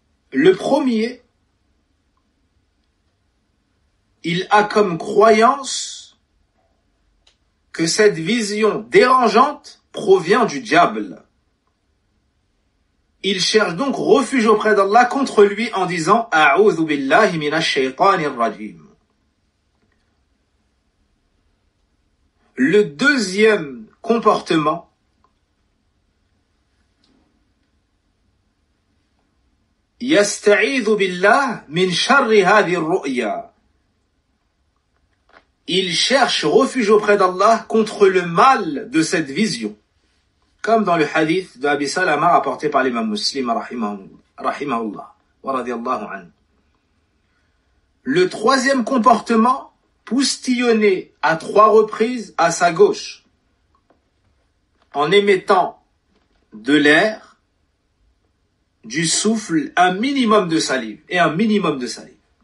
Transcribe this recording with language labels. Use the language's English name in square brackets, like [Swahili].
[French] Le premier, il a comme croyance que cette vision dérangeante provient du diable. Il cherche donc refuge auprès d'Allah contre lui en disant « [Arabic] A'udhu billahi minash shaytanir rajim ». [French] Le deuxième comportement, [Arabic] يَسْتَعِيذُ بِاللَّهِ مِنْ شَرِّ هَذِي الرُّؤْيَا. [French] Il cherche refuge auprès d'Allah contre le mal de cette vision. Comme dans le hadith de Abi Salama rapporté par l'imam Muslim rahimahullah wa radiallahu anhu. Le troisième comportement, poustillonné à trois reprises à sa gauche en émettant de l'air, du souffle, un minimum de salive et un minimum de salive.